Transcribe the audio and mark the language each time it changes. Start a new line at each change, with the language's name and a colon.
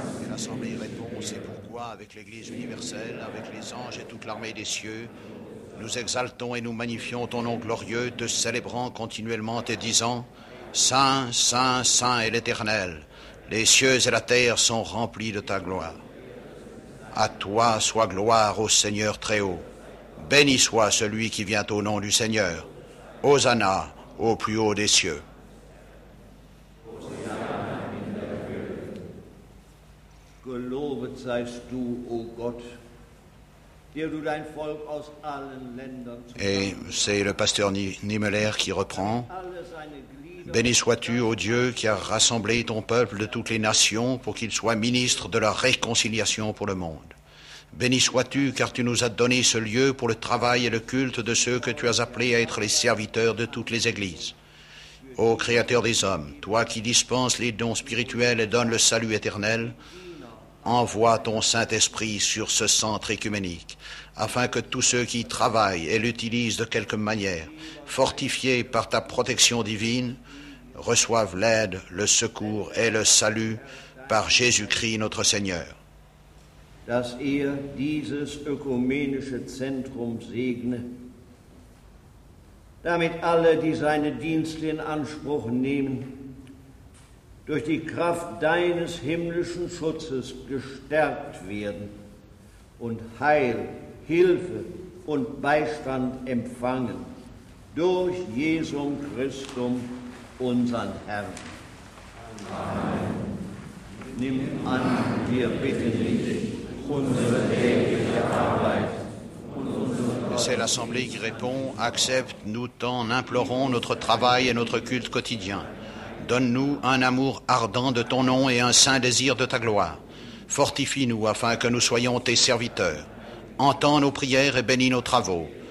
French: L'Assemblée répond, c'est pourquoi avec l'Église universelle, avec les anges et toute l'armée des cieux, nous exaltons et nous magnifions ton nom glorieux, te célébrant continuellement et disant, Saint, Saint, Saint est l'Éternel, les cieux et la terre sont remplis de ta gloire. À toi soit gloire, ô Seigneur très haut, béni soit celui qui vient au nom du Seigneur, Hosanna au plus haut des cieux.
German: Gelobet seist du, ô Gott, der du dein Volk aus allen Ländern.
French: Et c'est le pasteur Niemöller qui reprend. Béni sois-tu, ô Dieu, qui a rassemblé ton peuple de toutes les nations pour qu'il soit ministre de la réconciliation pour le monde. Béni sois-tu, car tu nous as donné ce lieu pour le travail et le culte de ceux que tu as appelés à être les serviteurs de toutes les églises. Ô Créateur des hommes, toi qui dispenses les dons spirituels et donnes le salut éternel, envoie ton Saint-Esprit sur ce centre œcuménique, afin que tous ceux qui travaillent et l'utilisent de quelque manière, fortifiés par ta protection divine, reçoivent l'aide, le secours et le salut par Jésus-Christ notre Seigneur.
German: Dass ihr dieses ökumenische Zentrum segne, damit alle, die seine Dienste in Anspruch nehmen, durch die Kraft deines himmlischen Schutzes gestärkt werden und Heil, Hilfe und Beistand empfangen durch Jesum Christum, unseren Herrn. Amen. Nimm an, wir bitten dich, unsere tägliche Arbeit.
French: C'est l'Assemblée qui répond, accepte, nous t'en implorons notre travail et notre culte quotidien. Donne-nous un amour ardent de ton nom et un saint désir de ta gloire. Fortifie-nous afin que nous soyons tes serviteurs. Entends nos prières et bénis nos travaux.